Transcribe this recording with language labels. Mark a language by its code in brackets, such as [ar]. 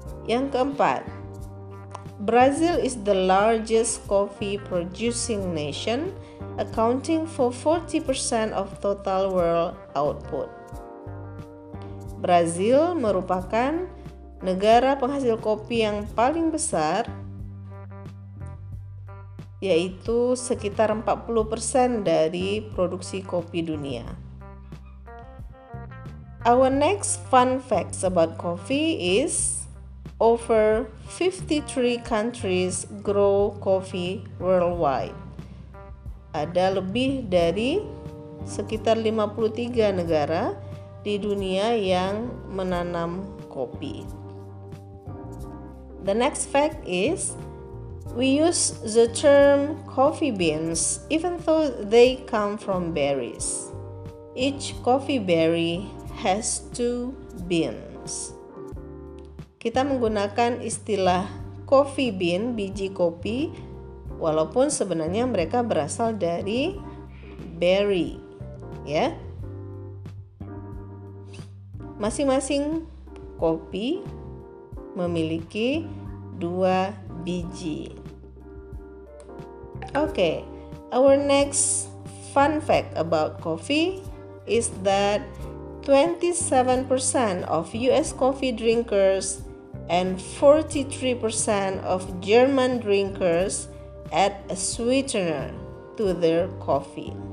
[id] Yang keempat, [en] Brazil is the largest coffee producing nation, accounting for 40% of total world output. [id] Brazil merupakan negara penghasil kopi yang paling besar, yaitu sekitar 40% dari produksi kopi dunia. [en] Our next fun facts about coffee is over 53 countries grow coffee worldwide. [id] Ada lebih dari sekitar 53 negara di dunia yang menanam kopi. [en] The next fact is we use the term coffee beans even though they come from berries. Each coffee berry has 2 beans. [id] Kita menggunakan istilah coffee bean, biji kopi, walaupun sebenarnya mereka berasal dari berry, ya. Masing-masing kopi memiliki 2 biji. [en] Oke, okay, our next fun fact about coffee is that 27% of US coffee drinkers and 43% of German drinkers add a sweetener to their coffee.